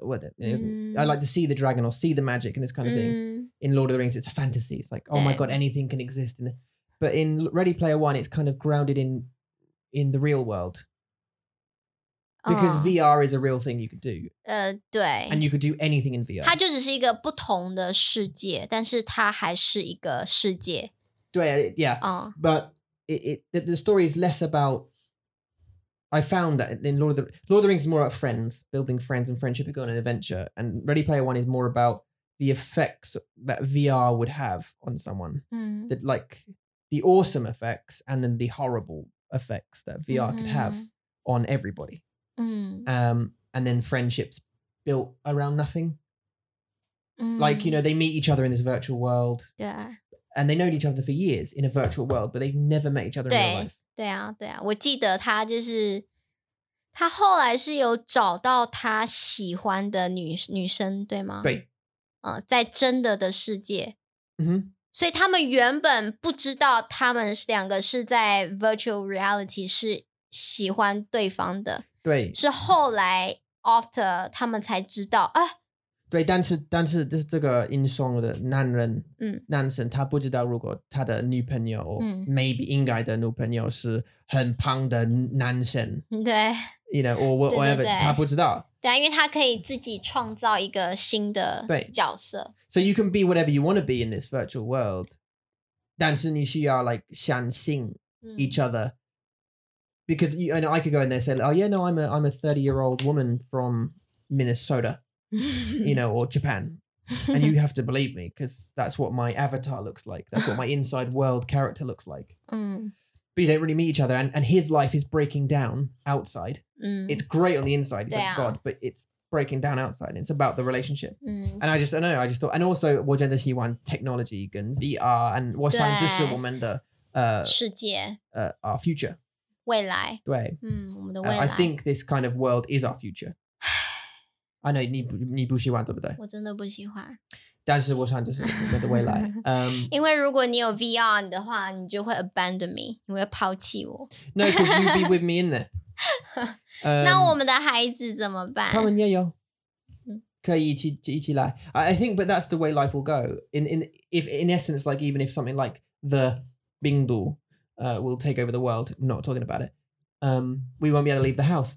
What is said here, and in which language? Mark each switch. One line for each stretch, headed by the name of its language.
English: I like to see the dragon or see the magic and this kind of thing. In Lord of the Rings, it's a fantasy. It's like, oh my God, anything can exist. But in Ready Player One, it's kind of grounded in the real world. Because VR is a real thing you could do.
Chinese: 对。
English: And you could do anything in VR.
Chinese: 它就只是一个不同的世界，但是它还是一个世界。对,
English: yeah. But the story is less about... I found that in Lord of the Rings is more about friends, building friends and friendship and going on an adventure. And Ready Player One is more about the effects that VR would have on someone. That like... the awesome effects and then the horrible effects that VR could have on everybody. And then friendships built around nothing. Like, you know, they meet each other in this virtual world. Yeah. And they know each other for years in a virtual world, but they've never met each other in real life.
Chinese: 对啊, 对啊。我记得他就是, 他后来是有找到他喜欢的女生, 对吗? 对。在真的的世界。所以他们原本不知道他们两个是在
English: virtual reality
Chinese: 是喜欢对方的。对。是后来
English: after
Chinese: 他们才知道。啊、对，但是就是这个英雄的男人男生他不知道如果他的女朋友
English: maybe
Chinese: 应该的女朋友是很胖的男生。对。
English: You know, or whatever,
Chinese: 对对对他不知道。对啊，因为他可以自己创造一个新的角色。
English: So you can be whatever you want to be in this virtual world.
Chinese: 但是你需要
English: like
Chinese: 相信
English: each other. Because you, and I could go in there and say, oh yeah, no, I'm a 30-year-old woman from Minnesota, you know, or Japan. And you have to believe me because that's what my avatar looks like. That's what my inside world character looks like. But you don't really meet each other. And his life is breaking down outside. It's great on the inside. He's like God, but it's breaking down outside. It's about the relationship. And I just thought, and also,
Chinese: 我真的喜欢
English: technology
Chinese: 跟
English: VR, and
Chinese: 我想这是我们的世界,
English: our future.
Chinese: 未来。对。我们的未来。
English: I think this kind of world is our future. I know,
Chinese: 你不喜欢对不对? 我真的不喜欢。但是我想就是我的未来。因为如果你有 VR 的话,你就会
English: abandon me,
Chinese: 你会抛弃我。
English: No, because you'd be with me in there.
Chinese: 那我们的孩子怎么办? 他们也有。可以一起来。
English: I think, but that's the way life will go. In essence, like even if something like the 病毒, will take over the world, not talking about it, we won't be able to leave the house.